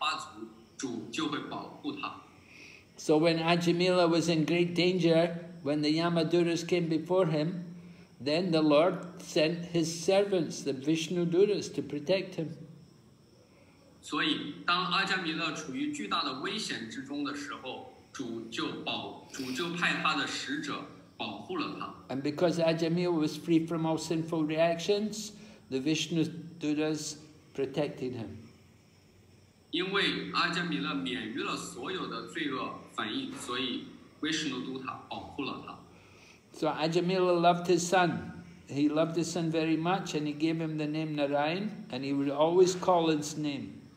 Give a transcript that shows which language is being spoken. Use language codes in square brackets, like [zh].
[zh] 因此一个人只要一次唱诵主的圣名，而且完全投靠主的莲花族，主就会保护他。 [en] So when Ajāmila was in great danger, when the Yamadutas came before him, then the Lord sent his servants, the Viṣṇudūtas, to protect him. [zh] 所以当阿迦弥勒处于巨大的危险之中的时候，主就派他的使者保护了他。 [en] And because Ajāmila was free from all sinful reactions, the Viṣṇudūtas protected him. [zh] 因为阿迦弥勒免于了所有的罪恶反应，所以维什努都塔保护了他。 [en] So Ajāmila loved his son. He loved his son very much, and he gave him the name Narayan, and he would always call his name.